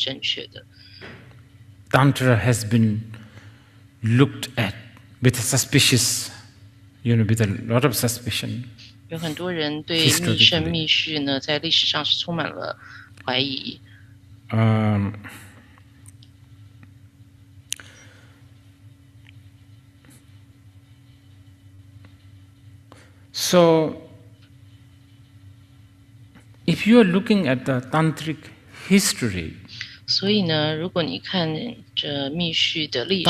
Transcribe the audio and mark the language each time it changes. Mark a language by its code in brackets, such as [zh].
[zh] 而且很多时候，其实他们是正确的。很多时候，这些佛教徒的责备是正确的。Tantra [en] has been looked at with suspicious, you know, with a lot of suspicion. [zh] 有很多人对密乘密续呢，在历史上是充满了怀疑。 [en] So, if you are looking at the tantric history, [zh] 所以呢，如果你看这密续的历史，